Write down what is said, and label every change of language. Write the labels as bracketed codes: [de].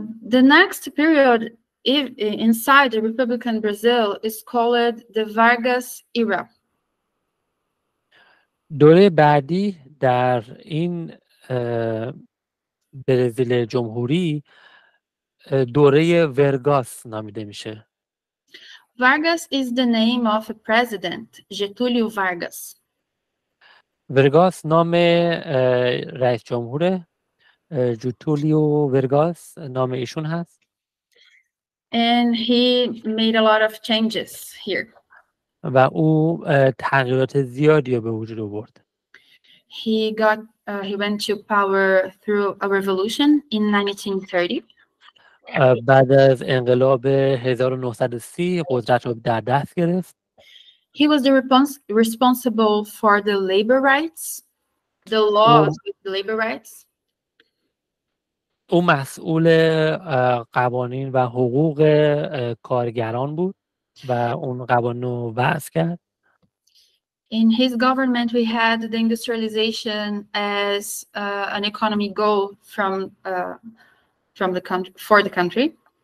[en] The next period inside the Republican Brazil is called the Vargas era. [fa] دوره بعدی در این برزیل جمهوری دوره ورگاس نامیده میشه. [en] Vargas is the name of a president, Getúlio Vargas. [fa] ورگاس نام رئیس جمهور، جتولیو ورگاس نام ایشون هست. [en] And he made a lot of changes here. [fa] و او تغییرات زیادی به وجود آورد. [en] He went to power through a revolution in 1930. [fa] بعد از انقلاب 1930 قدرت رو در دست گرفت. [en] He was the responsible for the labor rights, the laws of labor rights. [fa] او مسئول قوانین و حقوق کارگران بود و اون قوانین رو وضع کرد. [en] In his government, we had the industrialization as an economy goal from the country for the country.